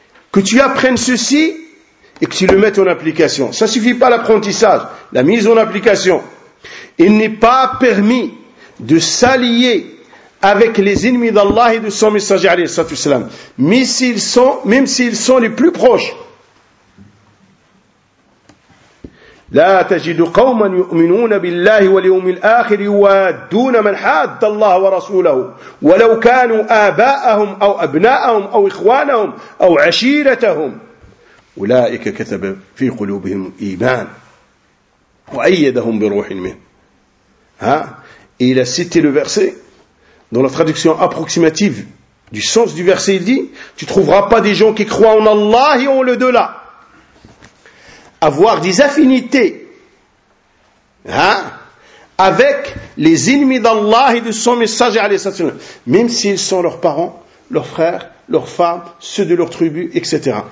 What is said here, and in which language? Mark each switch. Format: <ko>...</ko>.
<fr>Que tu apprennes ceci et que tu le mettes en application. Ça ne suffit pas l'apprentissage, la mise en application. Il n'est pas permis de s'allier avec les ennemis d'Allah et de son messager, alayhi salatu wasalam, même s'ils sont les plus proches.</fr> <ar>لا تجد قوما يؤمنون بالله واليوم الآخر يوادون من حاد الله ورسوله ولو كانوا آباءهم أو أبناءهم أو إخوانهم أو عشيرتهم أولئك كتب في قلوبهم إيمان وأيدهم بروح منه.</ar> <fr>Il a cité le verset dans la traduction approximative du sens du verset. Il dit, tu trouveras pas des gens qui croient en Allah et en le-delà. Avoir des affinités, hein, avec les ennemis d'Allah et de son messager, alayhi salatu wasalam, même s'ils sont leurs parents, leurs frères, leurs femmes, ceux de leur tribu, etc.</fr>